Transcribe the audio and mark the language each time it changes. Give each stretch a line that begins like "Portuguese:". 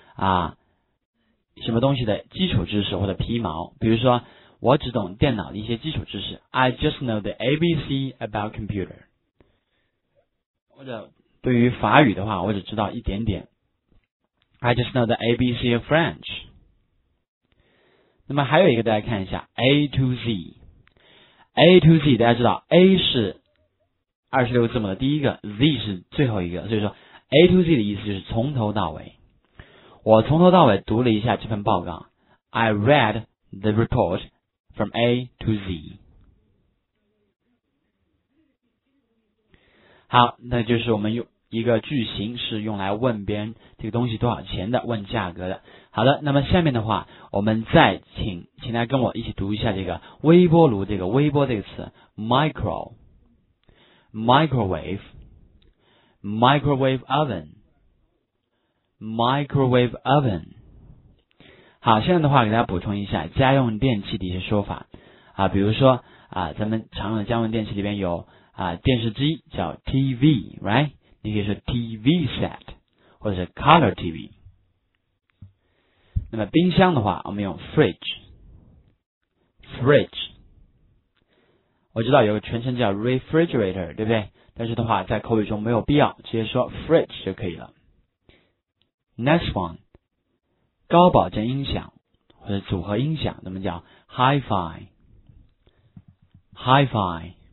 Chinese: 啊，什么东西的基础知识或者皮毛，比如说我只懂电脑的一些基础知识
English: I just know the ABC about computer，
Chinese: 或者对于法语的话我只知道一点点
English: I just know the ABC of French。
Chinese: 那么还有一个大家看一下 A to Z， A to Z 大家知道 A 是26字母的第一个， Z 是最后一个，所以说 A to Z 的意思就是从头到尾。我从头到尾读了一下这份报告
English: I read the report from A to Z。
Chinese: 好，那就是我们用一个句型是用来问别人这个东西多少钱的，问价格的。好的，那么下面的话我们再请大家跟我一起读一下这个微波炉，这个微波这个词 Micro Microwave Microwave ovenMicrowave oven。好，现在的话给大家补充一下家用电器的一些说法啊，比如说啊，咱们常用的家用电器里边有啊，电视机叫 TV， right？你可以说 TV set 或者是 color TV。那么冰箱的话我们用 fridge， fridge。我知道有个全称叫 refrigerator， 对不对？但是的话在口语中没有必要，直接说 fridge 就可以了。 Next one， 高保真音响或者组合音响，那么叫 Hi-Fi， Hi-Fi。